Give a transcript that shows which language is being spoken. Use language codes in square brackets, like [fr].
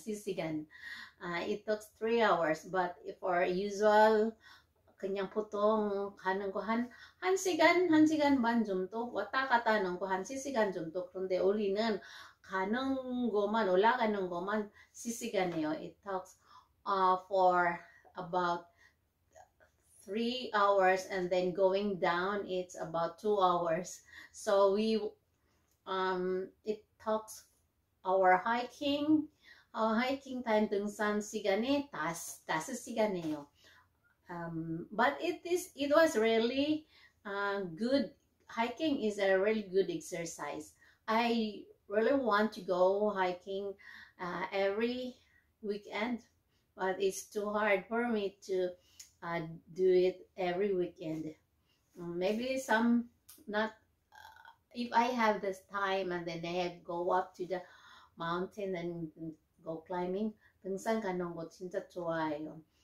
[ko] 3시간. [en] It took 3 hours. But for usual, [ko] 그냥 보통 가는 거 한 시간 반 정도 왔다 갔다 하는 거 한 3시간 정도. 그런데 우리는 가는 것만 올라가는 것만 3시간이에요. [en] It took for about 3 hours and then going down it's about 2 hours. So it talks our hiking. Our hiking time [ko] 등산 시간에 다섯 시간이에요. [en] But it was really good. Hiking is a really good exercise. I really want to go hiking every weekend, but it's too hard for me to do it every weekend. Maybe some not if I have this time and then I go up to the mountain and go climbing. [ko] 등산 가는 거 진짜 좋아해요.